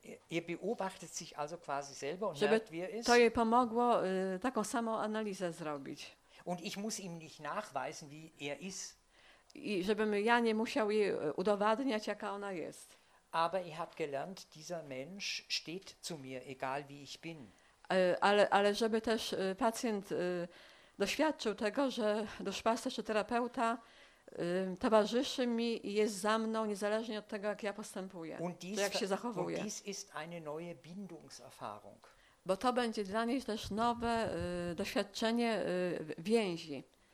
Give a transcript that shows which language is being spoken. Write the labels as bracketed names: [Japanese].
[German] Ihr beobachtet sich also quasi selber und merkt, wie er ist. [Polish] To jej pomogło taką samą analizę zrobić. [German] Und ich muss ihm nicht nachweisen, wie er ist. [Polish] I żebym ja nie musiał jej udowadniać, jaka ona jest. [German] Aber ich habe gelernt, dieser Mensch steht zu mir, egal wie ich bin. [Polish] Ale żeby też pacjent doświadczył tego, że duszpasterz czy terapeuta towarzyszy mi i jest za mną, niezależnie od tego, jak ja postępuję, jak się zachowuję. [German] Und dies ist eine neue Bindungserfahrung. [Polish] Bo to będzie dla niej też nowe doświadczenie więzi.